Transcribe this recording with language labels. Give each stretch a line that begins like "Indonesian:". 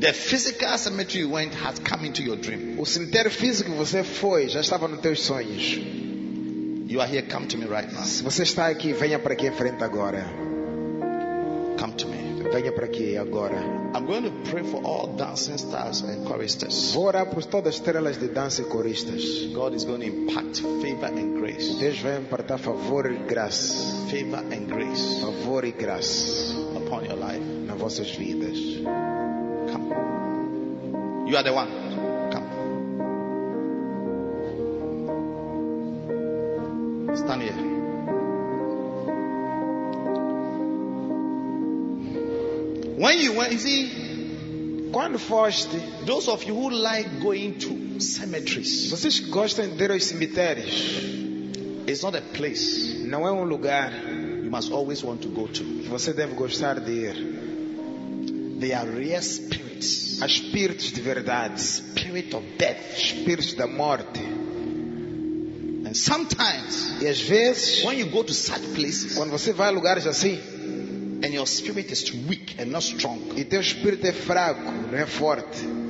English: The physical cemetery you went has come into your dream.
Portuguese: O cemitério físico que você foi já estava nos teus sonhos.
English: You are here, come to me right now.
Portuguese: Se você está aqui, venha para aqui em frente agora.
English: Come to me.
Portuguese: Venha para aqui agora.
English: I'm going to pray for all dancing stars and choristers.
Portuguese: Vou orar por todas as estrelas de dança e coristas.
English: God is going to impart favor and grace.
Portuguese: Deus vai impartar favor e graça.
English: Favor and grace.
Portuguese: Favor e graça.
English: Upon your life.
Portuguese: Nas vossas vidas.
English: Come. You are the one. Come. Stand here. When you went, you see,
Portuguese: quando foste,
English: those of you who like going to cemeteries,
Portuguese: vocês que gostam de ir aos cemitérios,
English: it's not a place.
Portuguese: Não é lugar.
English: You must always want to go to.
Portuguese: Você deve gostar de ir.
English: They are real spirits.
Portuguese: Espíritos de verdade,
English: spirit of death,
Portuguese: espíritos da morte.
English: And sometimes,
Portuguese: e às vezes,
English: when you go to such places,
Portuguese: quando você vai a lugares assim,
English: and your spirit is too weak and not strong,
Portuguese: e teu espírito é fraco, não é forte,